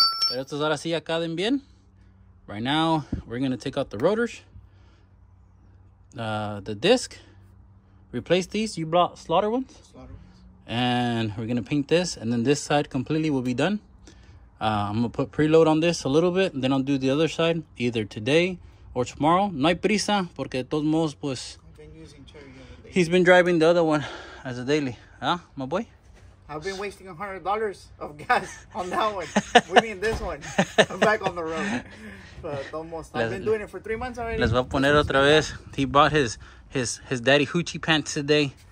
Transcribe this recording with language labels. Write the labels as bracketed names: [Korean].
[Spanish] Pero estos ahora sí acaben bien. [English] Right now, we're gonna take out the rotors, the disc, replace these. You brought slaughter ones. And we're gonna paint this, and then this side completely will be done. I'm gonna put preload on this a little bit, and then I'll do the other side either today or tomorrow. [Spanish] No hay prisa, porque de todos modos, pues. [English] I've been using Cherry the other day. He's been driving the other one as a daily, huh, my boy? I've been wasting $100 of gas on that one. We need this one. I'm back on the road. I've been doing it for 3 months already. [Spanish] Les va a poner otra vez. [English] He bought his daddy hoochie pants today.